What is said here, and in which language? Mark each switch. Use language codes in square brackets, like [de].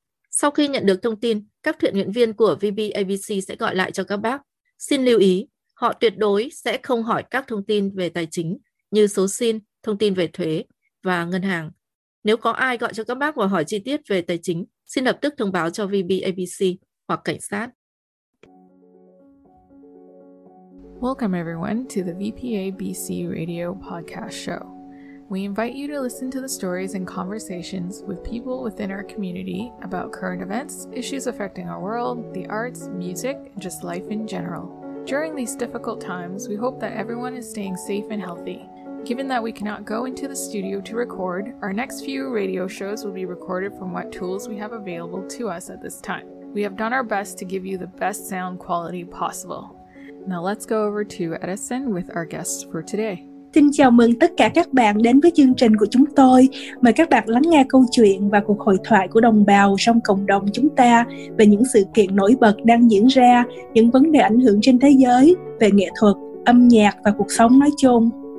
[vi] Sau khi nhận được thông tin, các thiện nguyện viên của VBABC sẽ gọi lại cho các bác. Xin lưu ý, họ tuyệt đối sẽ không hỏi các thông tin về tài chính như số SIN, thông tin về thuế và ngân hàng. Nếu có ai gọi cho các bác và hỏi chi tiết về tài chính, xin lập tức thông báo cho VBABC hoặc cảnh sát. [en] Welcome everyone to the VPABC Radio Podcast Show. We invite you to listen to the stories and conversations with people within our community about current events, issues affecting our world, the arts, music, and just life in general. During these difficult times, we hope that everyone is staying safe and healthy. Given that we cannot go into the studio to record, our next few radio shows will be recorded from what tools we have available to us at this time. We have done our best to give you the best sound quality possible. Now let's go over to Edison with our guests for today. [vi] Xin chào mừng tất cả các bạn đến với chương trình của chúng tôi. Mời các bạn lắng nghe câu chuyện và cuộc hội thoại của đồng bào trong cộng đồng chúng ta về những sự kiện nổi bật đang diễn ra, những vấn đề ảnh hưởng trên thế giới, về nghệ thuật, âm nhạc và cuộc sống nói chung.